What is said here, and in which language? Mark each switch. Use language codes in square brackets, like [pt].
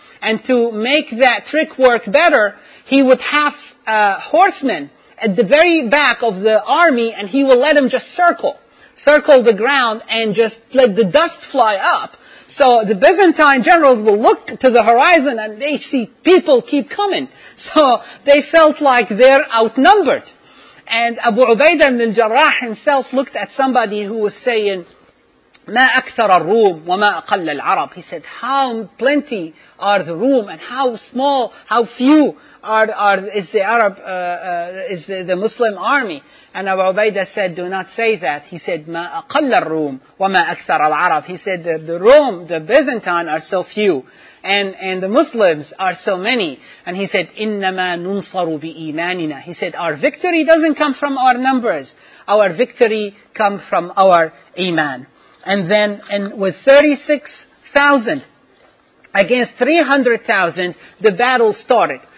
[en] And to make that trick work better, he would have horsemen at the very back of the army, and he will let them just circle the ground and just let the dust fly up. So the Byzantine generals will look to the horizon and they see people keep coming. So they felt like they're outnumbered. And Abu Ubaidah ibn al-Jarrah himself looked at somebody who was saying, [ar] ما أكثر الروم وما أقل العرب. [en] He said, how plenty are the room and how small, how few is the Arab, is the Muslim army. And Abu Ubaidah said, do not say that. He said, [ar] ما أقل الروم وما أكثر العرب. [en] He said, the Rome, the Byzantine are so few. And the Muslims are so many. And he said, [ar] إِنَّمَا نُنصَرُ بِإِيمَانِنَا. [en] He said, our victory doesn't come from our numbers. Our victory come from our iman. And then, and with 36,000 against 300,000, the battle started.